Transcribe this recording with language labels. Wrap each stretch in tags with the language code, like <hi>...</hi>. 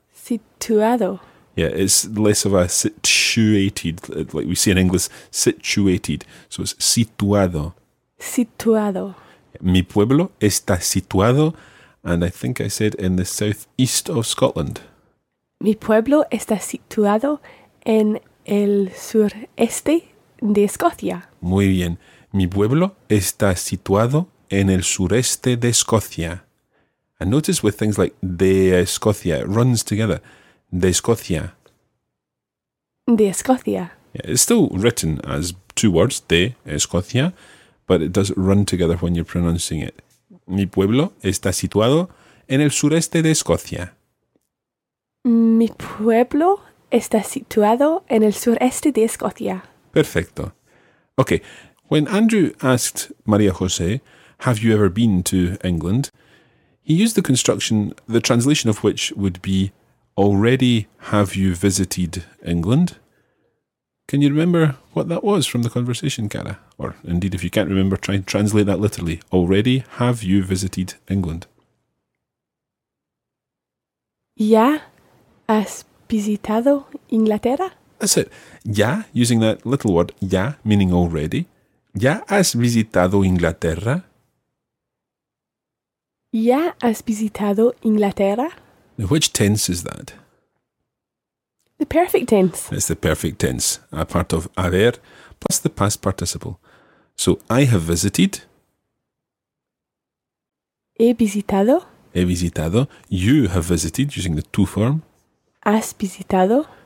<es>Situado.</es> <en>Yeah, it's less of a situated, like we say in English, situated. So it's situado.</en> <es>Situado. Mi pueblo está situado,</es> <en>and I think I said in the southeast of Scotland.</en> <es>Mi pueblo está situado en el sureste de Escocia. Muy bien. Mi pueblo está situado en el sureste de Escocia.</es> <en>And notice with things like</en> <es>de Escocia,</es> <en>it runs together. De Escocia.</en> <es>De Escocia.</es> <en>Yeah, it's still written as two words,</en> <es>de Escocia,</es> <en>but it does run together when you're pronouncing it.</en> <es>Mi pueblo está situado en el sureste de Escocia. Mi pueblo está situado en el sureste de Escocia. Perfecto.</es> <en>Okay, when Andrew asked María José, "Have you ever been to England?" He used the construction, the translation of which would be, "Already have you visited England?" Can you remember what that was from the conversation, Cara? Or indeed, if you can't remember, try and translate that literally. Already have you visited England?</en> <es>¿Ya has visitado Inglaterra?</es> <en>That's it. Ya, using that little word, ya, meaning already.</en> <es>¿Ya has visitado Inglaterra? ¿Ya has visitado Inglaterra?</es> <en>Now, which tense is that? The perfect tense. It's the perfect tense, a part of haber plus the past participle. So, I have visited.</en> <es>He visitado. He visitado.</es> <en>You have visited, using the to form.</en> <es>Has visitado.</es>